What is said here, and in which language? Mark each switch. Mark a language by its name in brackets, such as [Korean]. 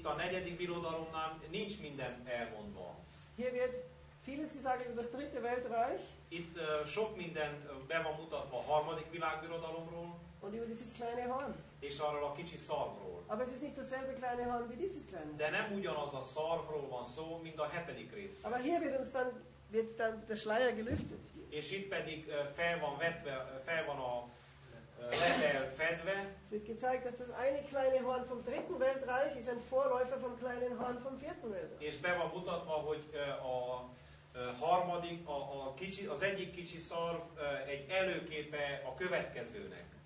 [Hungarian] Itt a negyedik birodalomnál nincs minden elmondva. [German] Hier wird vieles gesagt über das dritte Weltreich. [Hungarian] Itt sok minden be van mutatva a harmadik világbirodalomról. [German] Und über dieses kleine Horn. [Hungarian] És arról a kicsi szarvról. [German] Aber es ist nicht dasselbe kleine Horn wie dieses kleine. [Hungarian] De nem ugyanaz a szarvról van szó, mint a hetedik rész. [German] Aber hier wird uns dann der Schleier gelüftet. [Hungarian] És itt pedig fel van a level fedve. [German] Es wird gezeigt, dass das eine kleine Horn vom dritten Weltreich ist ein Vorläufer vom kleinen Horn vom vierten Weltreich. [Hungarian] És be van mutatva, hogy a harmadik, az egyik kicsi szarv egy előképe a következőnek.